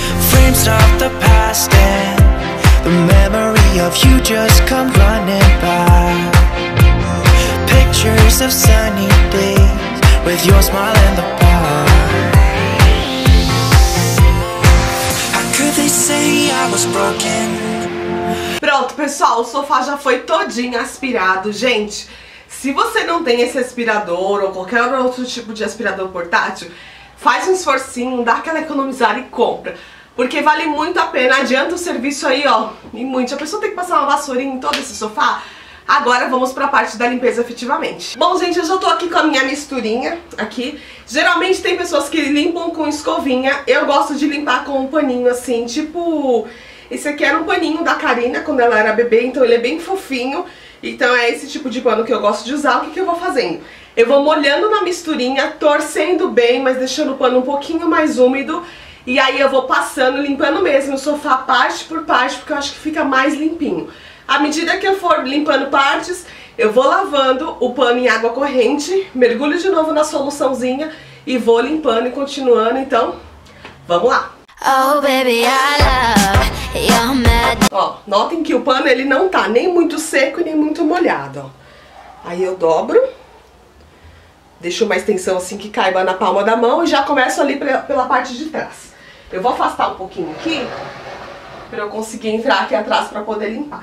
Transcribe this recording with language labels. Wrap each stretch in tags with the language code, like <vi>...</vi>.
<en>Frames of the past and the memory of you just come running by. Pictures of sunny days with your smile in the park. How could they say I was broken?</en> <pt>Pronto, pessoal, o sofá já foi todinho aspirado. Gente, se você não tem esse aspirador ou qualquer outro tipo de aspirador portátil, faz um esforcinho, dá aquela economizada e compra. Porque vale muito a pena, adianta o serviço aí, ó, e muito. A pessoa tem que passar uma vassourinha em todo esse sofá. Agora vamos pra parte da limpeza efetivamente. Bom, gente, eu já tô aqui com a minha misturinha aqui. Geralmente tem pessoas que limpam com escovinha. Eu gosto de limpar com um paninho assim, tipo... Esse aqui era um paninho da Karina quando ela era bebê, então ele é bem fofinho. Então é esse tipo de pano que eu gosto de usar. O que, que eu vou fazendo? Eu vou molhando na misturinha, torcendo bem, mas deixando o pano um pouquinho mais úmido. E aí eu vou passando, limpando mesmo o sofá parte por parte, porque eu acho que fica mais limpinho. À medida que eu for limpando partes, eu vou lavando o pano em água corrente, mergulho de novo na soluçãozinha e vou limpando e continuando. Então, vamos lá!</pt> <en>Oh, baby, I love your magic.</en> <pt>Ó, notem que o pano ele não tá nem muito seco e nem muito molhado, ó. Aí eu dobro, deixo uma extensão assim que caiba na palma da mão e já começo ali pela parte de trás. Eu vou afastar um pouquinho aqui pra eu conseguir entrar aqui atrás pra poder limpar.</pt>